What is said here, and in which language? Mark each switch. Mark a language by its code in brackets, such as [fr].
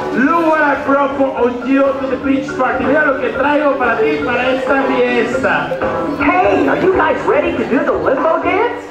[en] Look what I brought for you to the beach party. [es] Mira lo que traigo para ti para esta fiesta. [en] Hey, are you guys ready to do the limbo dance?